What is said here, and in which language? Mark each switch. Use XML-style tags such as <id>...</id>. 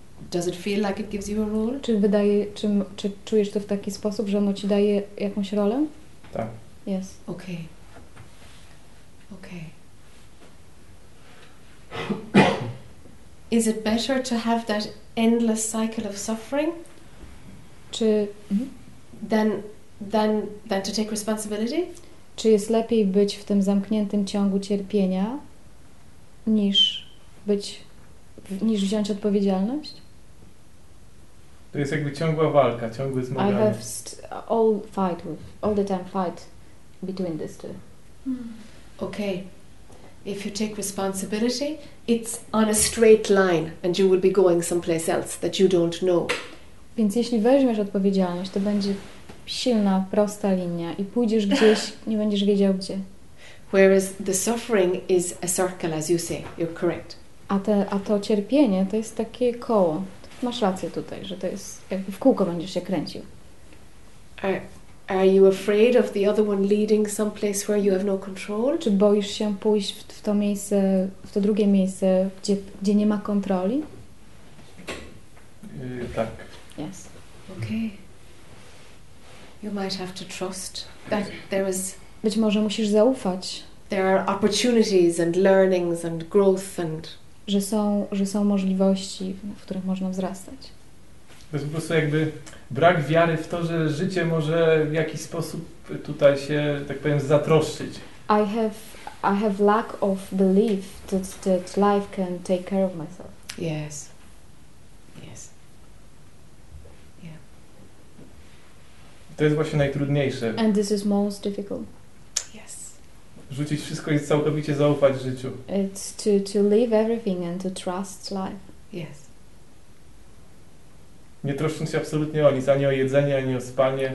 <en>Does it feel like it gives you a role?</en> <pl>Czy czujesz to w taki sposób, że ono ci daje jakąś rolę? Tak.</pl> <en>Yes. Okay. Okay. Is it better to have that endless cycle of suffering?</en> <pl>Czy</pl> <en>Than to take responsibility?</en> <pl>Czy jest lepiej być w tym zamkniętym ciągu cierpienia niż wziąć odpowiedzialność? To jest jakby ciągła walka, ciągłe zmaganie.</pl> <en>I have all the time fight between these two. okay, if you take responsibility, it's on a straight line and you will be going someplace else that you don't know.</en> <pl>Więc jeśli weźmiesz odpowiedzialność, to będzie silna, prosta linia i pójdziesz gdzieś, nie będziesz wiedział gdzie.</pl> <en>Whereas the suffering is a circle, as you say, you're correct.</en> <pl>A to cierpienie to jest takie koło. Masz rację tutaj, że to jest jakby w kółko będziesz się kręcił.</pl> <en>Are you afraid of the other one leading someplace where you have no control?</en> <pl>Czy boisz się pójść w to miejsce, w to drugie miejsce, gdzie nie ma kontroli? Tak.</pl> <en>Yes. Okay. You might have to trust that there is.</en> <pl>Być może musisz zaufać.</pl> <en>There are opportunities and learnings and growth and.</en> <pl>Że są możliwości, w których można wzrastać. To jest po prostu jakby brak wiary w to, że życie może w jakiś sposób tutaj się, tak powiem, zatroszczyć.</pl> <en>I have lack of belief that life can take care of myself. Yes.</en> <pl>To jest właśnie najtrudniejsze.</pl> <en>And this is most difficult. Yes.</en> <pl>Rzucić wszystko i całkowicie zaufać życiu.</pl> <en>It's to leave everything and to trust life. Yes.</en> <pl>Nie troszcząc się absolutnie o nic, ani o jedzenie, ani o spanie.</pl>